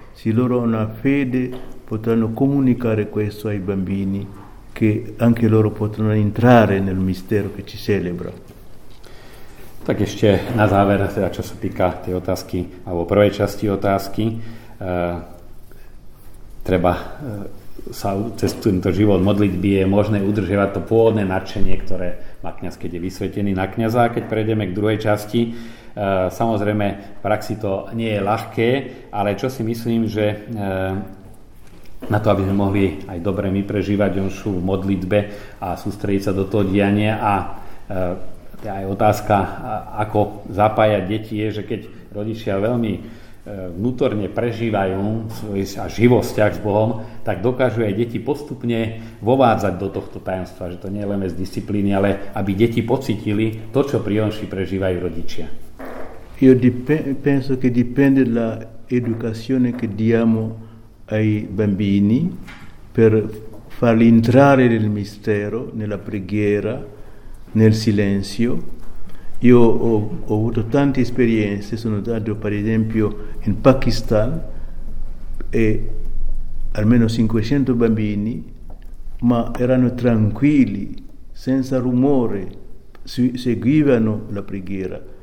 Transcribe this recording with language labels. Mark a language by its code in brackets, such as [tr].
[it] Se loro hanno una fede, potranno comunicare questo ai bambini, che anche loro potranno entrare nel mistero che ci celebra. [sk] Tak ešte na záver, teda čo sa týka tej otázky, alebo prvej časti otázky, treba sa cez tento život modlitby je možné udržiavať to pôvodné nadšenie, ktoré má kňaz, keď je vysvetený na kňaza. Keď prejdeme k druhej časti, samozrejme v praxi to nie je ľahké, ale čo si myslím, že na to, aby sme mohli aj dobre my prežívať onšu v modlitbe a sústrediť sa do toho diania a teda aj otázka, ako zapájať deti, je, že keď rodičia veľmi vnútorne prežívajú svoj a živosť vzťah s Bohom, tak dokážu aj deti postupne vovádzať do tohto tajomstva, že to nie je len z disciplíny, ale aby deti pocítili to, čo pri onši prežívajú rodičia. [it] Io penso che dipende dalla educazione che diamo ai bambini per farli entrare nel mistero, nella preghiera, nel silenzio. Io ho avuto tante esperienze, sono andato per esempio in Pakistan e almeno 500 bambini, ma erano tranquilli, senza rumore, seguivano la preghiera.